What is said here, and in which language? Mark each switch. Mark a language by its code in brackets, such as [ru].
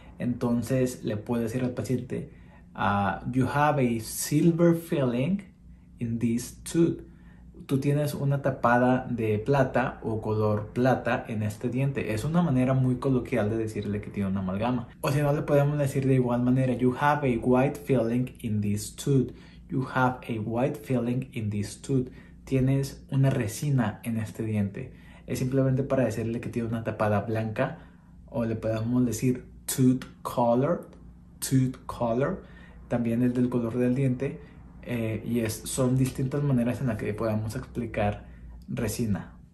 [es] Entonces le puedo decir al paciente: [en] you have a silver filling in this tooth. [es] tú tienes una tapada de plata o color plata en este diente. Es una manera muy coloquial de decirle que tiene una amalgama. O si no, le podemos decir de igual manera, [en] you have a white filling in this tooth. You have a white filling in this tooth. [es] Tienes una resina en este diente. Es simplemente para decirle que tiene una tapada blanca. O le podemos decir tooth color, también es del color del diente, son distintas maneras en las que podemos explicar resina.